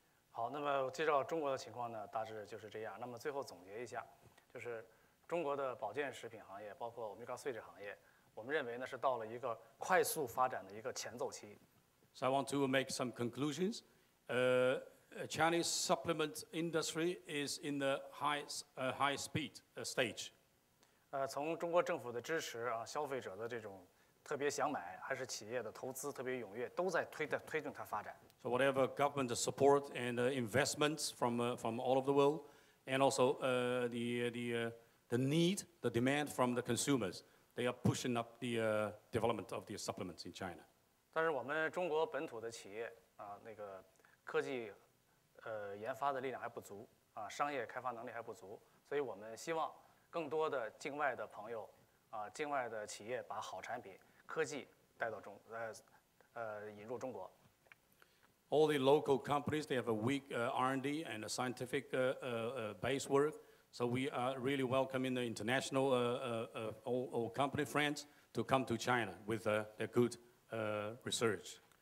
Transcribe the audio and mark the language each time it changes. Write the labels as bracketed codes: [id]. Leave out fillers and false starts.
[zh] 好，那么介绍中国的情况呢，大致就是这样。那么最后总结一下，就是中国的保健食品行业，包括 omega-3 这行业，我们认为呢是到了一个快速发展的一个前奏期。 [en] So I want to make some conclusions. Chinese supplement industry is in the high speed stage. [zh] 从中国政府的支持啊，消费者的这种。特别想买，还是企业的投资特别踊跃，都在推动它发展。 [en] So whatever government support and investments from all over the world, and also the need, the demand from the consumers, they are pushing up the development of the supplements in China. [zh] 但是我们中国本土的企业那个科技研发的力量还不足啊，商业开发能力还不足，所以我们希望更多的境外的朋友境外的企业把好产品。科技带到中引入中国。 [en] All the local companies, they have a weak R&D and a scientific base work. So we are really welcoming the international old company friends to come to China with their good research.